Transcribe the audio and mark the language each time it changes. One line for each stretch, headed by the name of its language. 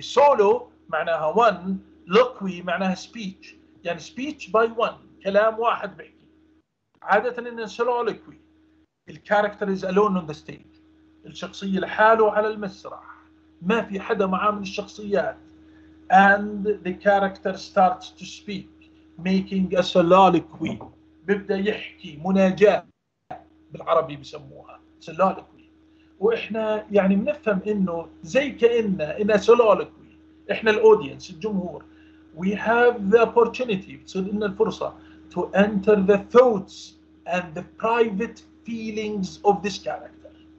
English: Solo
Arabic: معناها
English: one. Loquy معناها speech.
Arabic: يعني
English: speech by one.
Arabic: كلام واحد بيحكي. عادة إنه سولوليكوي. الكاركتر
English: is alone on the stage.
Arabic: الشخصية لحاله على المسرح. ما في حدا معاه من الشخصيات.
English: And the character starts to speak, making a soliloquy.
Arabic: بيبدأ يحكي مناجاة بالعربي بسموها soliloquy. وإحنا يعني منفهم إنه زي كأنه إنه soliloquy. إحنا الأودينس الجمهور.
English: We have the opportunity.
Arabic: بتصير إن الفرصة
English: to enter the thoughts and the private feelings of this character.